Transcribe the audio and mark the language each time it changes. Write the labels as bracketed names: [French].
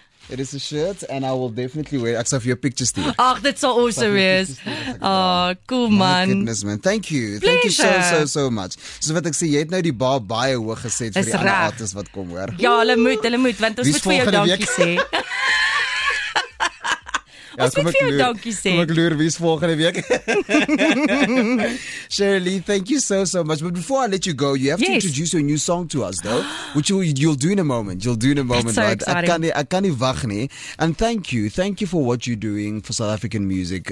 [English] It is a shirt, and I will definitely wear it. [Afrikaans] Ek sal vir jou picture steek. Ach, dit sal awesome is. Oh, cool, man. [English] My goodness, man. Thank you. Pleasure. Thank you so much. [Afrikaans] So wat ek sê, jy het nou die bar baie hoog gesê vir die ander artists wat kom, hoor. Ja, hulle moet, want ons moet vir jou dankie sê. Ja, ons moet vir jou dankie sê. Kom ek loer, wie is volgende week? [English] Shirley, thank you so much. But before I let you go, you have to introduce your new song to us, though. Which you'll do in a moment. You'll do in a moment. That's so exciting. [Afrikaans] I kan nie wag nie. [English] And thank you. Thank you for what you're doing for South African music.